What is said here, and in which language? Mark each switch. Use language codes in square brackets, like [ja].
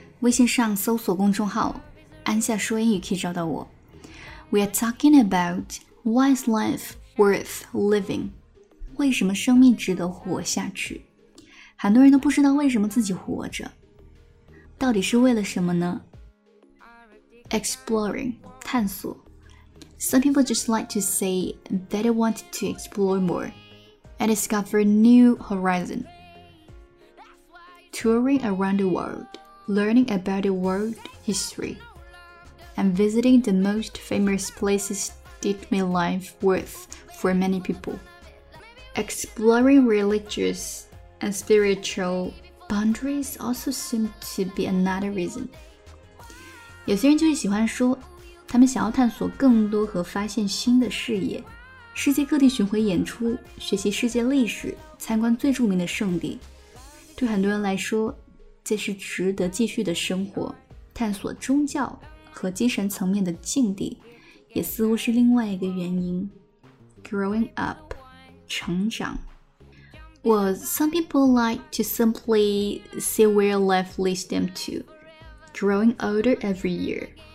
[zh] 微信上搜索公众号安夏说英语可以找到我。 [en] We are talking about why is life worth living， [zh] 为什么生命值得活下去。很多人都不知道为什么自己活着，到底是为了什么呢？ [en] Exploring， 探索。 Some people just like to say that they want to explore more and discover a new horizon. Touring around the world, learning about the world history, and visiting the most famous places did make life worth for many people. Exploring religious and spiritual boundaries also seem to be another reason. [zh] 有些人就喜欢说他们想要探索更多和发现新的视野，世界各地巡回演出，学习世界历史，参观最著名的圣地。对很多人来说，这是值得继续的生活，探索宗教和精神层面的境地，也似乎是另外一个原因。 [en] Growing up， 成长。 Well, some people like to simply see where life leads them to. Growing older every year.